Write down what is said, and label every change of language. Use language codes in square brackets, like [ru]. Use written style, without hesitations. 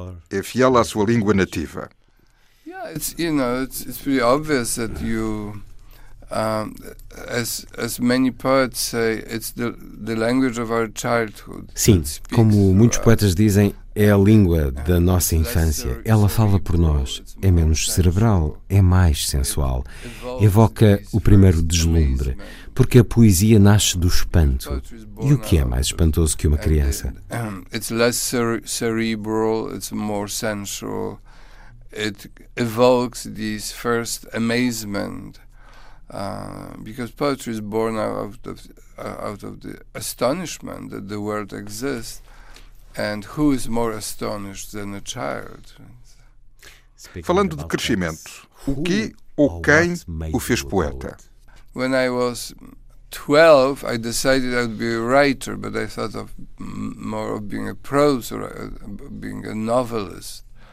[pt] É fiel à sua língua nativa. [en] Yeah, it's pretty obvious that you, as many poets say, it's the language of our childhood. [pt] Sim, como muitos poetas dizem, é a língua da nossa infância. Ela fala por nós. É menos cerebral, é mais sensual. Evoca o primeiro deslumbre, porque a poesia nasce do espanto. E o que é mais espantoso que uma criança? [en] It's less cerebral, it's more sensual. It evokes this first amazement. Because poetry is born out of the astonishment that the world exists. And who is more astonished than a child? [pt] Falando de crescimento, o que ou quem o fez poeta? [en] When I was 12, I decided I would be a writer, but I thought of more of being a prose or being a novelist.